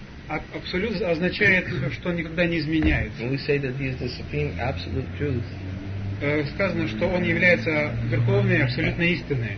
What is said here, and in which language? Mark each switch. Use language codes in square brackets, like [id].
[ru] Абсолют означает, что никогда не изменяется. [en] When we say that he is the supreme absolute truth. [ru] Сказано, что он является верховной абсолютной истиной.